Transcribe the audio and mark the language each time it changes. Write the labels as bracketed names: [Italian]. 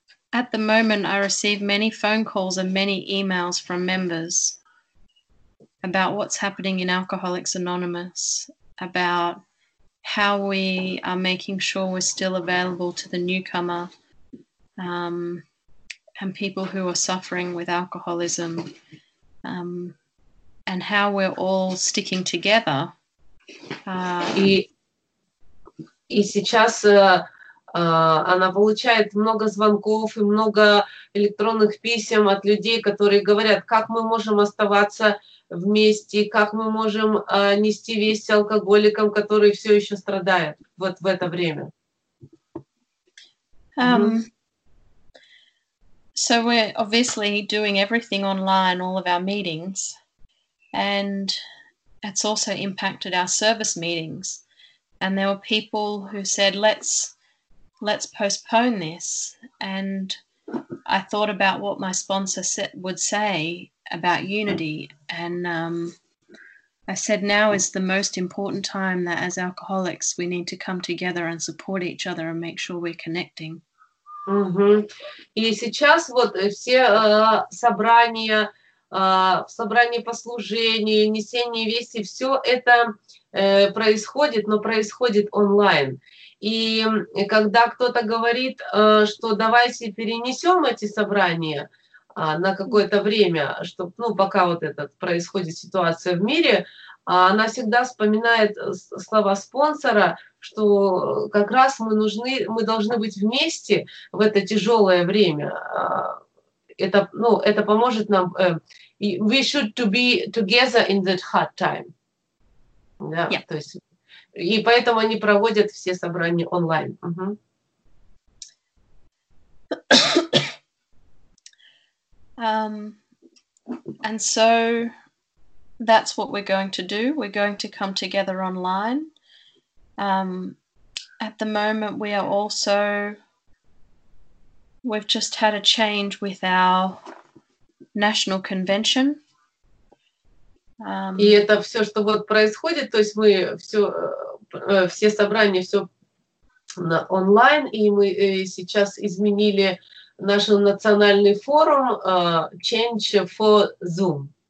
[English] At the moment, I receive many phone calls and many emails from members about what's happening in Alcoholics Anonymous, about how we are making sure we're still available to the newcomer and people who are suffering with alcoholism, and how we're all sticking together. [Russian] И сейчас она получает много звонков и много электронных писем от людей, которые говорят, как мы можем оставаться вместе, как мы можем нести весть алкоголикам, которые все еще страдают вот в это время. [English] So we're obviously doing everything online, all of our meetings, and that's also impacted our service meetings. And there were people who said, let's postpone this. And I thought about what my sponsor would say about unity. And I said, now is the most important time that as alcoholics, we need to come together and support each other and make sure we're connecting. [Russian] И сейчас вот все собрания, собрания по служению, несение вести, все это происходит, но происходит онлайн. И когда кто-то говорит, что давайте перенесем эти собрания на какое-то время, чтоб, ну, пока вот этот происходит ситуация в мире, она всегда вспоминает слова спонсора, что как раз мы нужны, мы должны быть вместе в это тяжелое время. Это, ну, это поможет нам. [English] We should to be together in that hard time. [Russian] Да, [English] yeah. [Russian] То есть, и поэтому они проводят все собрания онлайн. [English] And so that's what we're going to do. We're going to come together online. At the moment, we are also, we've just had a change with our national convention. [Russian] И это все, что вот происходит, то есть мы все, все собрания, все на онлайн, и мы сейчас изменили наш национальный форум [English] Change for Zoom.